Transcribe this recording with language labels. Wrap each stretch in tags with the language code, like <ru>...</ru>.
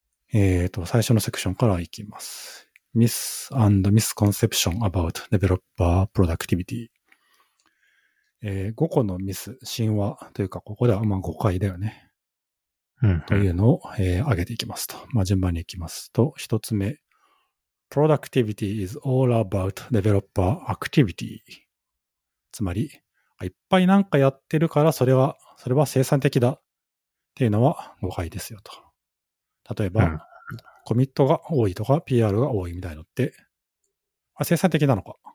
<ja>最初のセクションからいきます。</ja> <en>Myths and Misconception about Developer Productivity。</en> <ja>5個のミス、神話というか、ここではまあ誤解だよね。うん、というのを、上げていきますと。まあ、順番にいきますと、一つ目。</ja> <en>Productivity is all about developer activity.</en> <ja>つまり、いっぱいなんかやってるから、それは生産的だっていうのは誤解ですよと。例えば、うん、コミットが多いとか、PR が多いみたいのって、あ、生産的なのか。</ja>